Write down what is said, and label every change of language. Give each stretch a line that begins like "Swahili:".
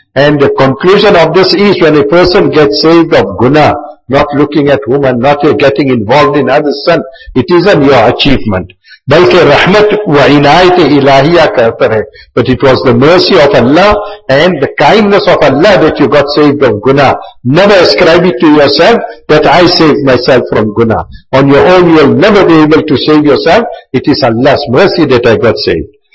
English: And the conclusion of this is when a person gets saved of guna, not looking at woman, not getting involved in other sin, it isn't your achievement.
Urdu: بلکہ رحمت و عنایت الہیہ کا اثر ہے.
English: But it was the mercy of Allah and the kindness of Allah that you got saved from guna. Never ascribe it to yourself that I saved myself from guna. On your own you will never be able to save yourself. It is Allah's mercy that I got saved.